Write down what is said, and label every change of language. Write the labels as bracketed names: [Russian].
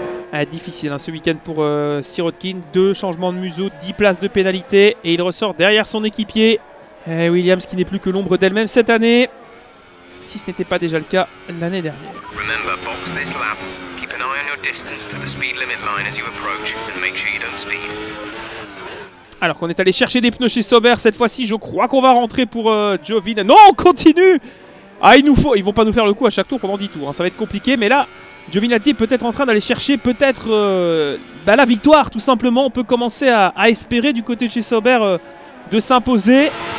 [French] Ah, difficile hein, ce week-end pour Sirotkin. Deux changements de museau, 10 places de pénalité, et il ressort derrière son équipier. Et Williams qui n'est plus que l'ombre d'elle-même cette année, si ce n'était pas déjà le cas l'année dernière. [English] Remember, box this lap. Keep an eye on your distance to the speed limit line as you approach, and make sure you don't speed. [French] Alors qu'on est allé chercher des pneus chez Sauber, cette fois-ci je crois qu'on va rentrer pour Jovin. Non, on continue. Ah, il nous faut, ils vont pas nous faire le coup à chaque tour pendant 10 tours, hein. Ça va être compliqué. Mais là, Giovinazzi est peut-être en train d'aller chercher peut-être la victoire tout simplement. On peut commencer à espérer du côté de chez Sauber de s'imposer.